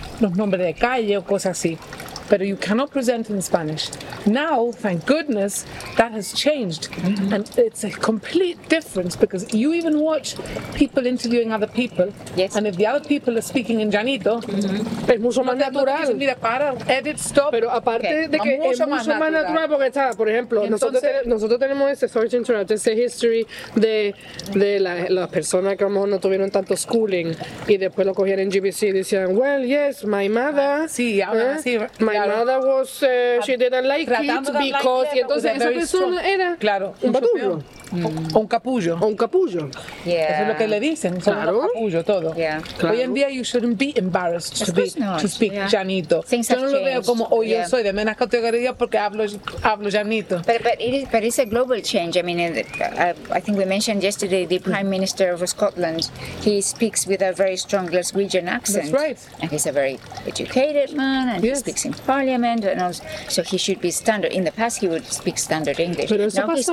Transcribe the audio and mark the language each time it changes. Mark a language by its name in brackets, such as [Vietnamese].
[Spanish] Nombre de calle o cosas así. [English] But you cannot present in Spanish. Now, thank goodness, that has changed. Mm-hmm. And it's a complete difference because you even watch people interviewing other people. Yes. And if the other people are speaking in Janito, [Spanish] es mucho más natural. Mira, para, [English] edit, stop. [Spanish] Pero aparte de que es mucho más natural porque está, por ejemplo, nosotros tenemos ese, [English] sorry to interrupt, [Spanish] ese history de las personas que a lo mejor no tuvieron tanto schooling y después lo cogieron en GBC y decían, [English] well, yes, my mother. [Spanish] Sí, ahora sí. [English] My mother was, she didn't like it because, [Spanish] y entonces esa persona era claro, un batullo. Un capullo. O un capullo. [English] Yeah. [Spanish] Eso es lo que le dicen. Son claro. Un capullo todo. [English] Yeah. [Spanish] Claro. [English] Hoy en día you shouldn't be embarrassed to speak yeah. Janito. Things [Spanish] yo no lo [English] changed. [Spanish] Veo como, [English] oh, yeah. [Spanish] Yo soy de menos categoría porque hablo Janito. [English] But it's a global change. I mean, I think we mentioned yesterday the Prime Minister of Scotland, he speaks with a very strong Glaswegian accent. That's right. And he's a very educated man and yes. He speaks in Parliament. And also, so he should be standard. In the past he would speak standard English. [Spanish] Pero eso pasa